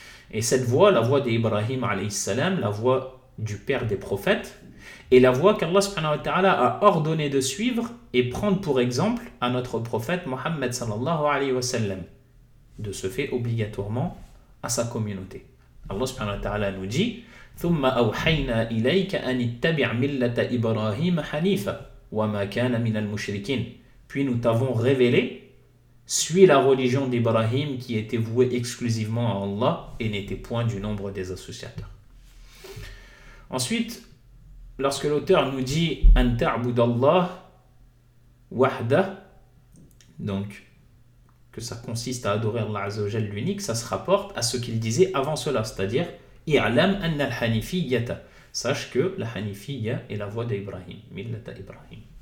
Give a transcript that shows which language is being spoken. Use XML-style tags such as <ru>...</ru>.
<fr>Et cette voie, la voie d'Ibrahim alayhi salam, la voie du père des prophètes, est la voie qu'Allah subhanahu wa ta'ala a ordonné de suivre et prendre pour exemple à notre prophète Mohammed sallallahu alayhi wa sallam, de ce fait obligatoirement à sa communauté. Allah subhanahu wa ta'ala nous dit:</fr> <ar>ثم أوحينا إليك أن اتبع ملة إبراهيم حنيفا وما كان من المشركين.</ar> <fr>Puis nous t'avons révélé, suis la religion d'Ibrahim qui était vouée exclusivement à Allah et n'était point du nombre des associateurs. Ensuite, lorsque l'auteur nous dit</fr> <ar>أن تعبد الله وحدة,</ar> <fr>donc que ça consiste à adorer Allah Azza wa Jal l'unique, ça se rapporte à ce qu'il disait avant cela, c'est-à-dire</fr> <ar>اعلم أن الحنيفية</ar> <fr>sache que la حنيفية est la voie d'Ibrahim,</fr> <ar>ملت إبراهيم.</ar>